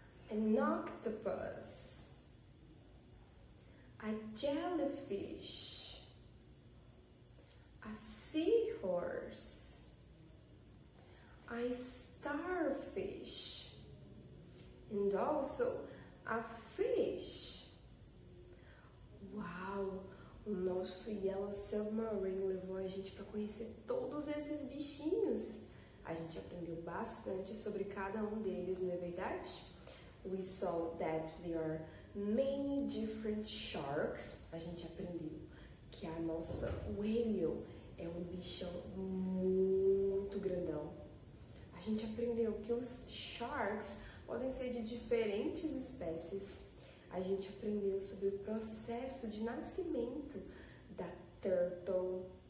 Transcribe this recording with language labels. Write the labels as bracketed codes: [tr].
[en] an octopus, a jellyfish, a seahorse, a starfish, and also a fish. Uau! [pt] O nosso Yellow Submarine levou a gente para conhecer todos esses bichinhos. A gente aprendeu bastante sobre cada um deles, não é verdade? [en] We saw that there are many different sharks. [pt] A gente aprendeu que a nossa whale é um bichão muito grandão. A gente aprendeu que os sharks podem ser de diferentes espécies. A gente aprendeu sobre o processo de nascimento da turtle.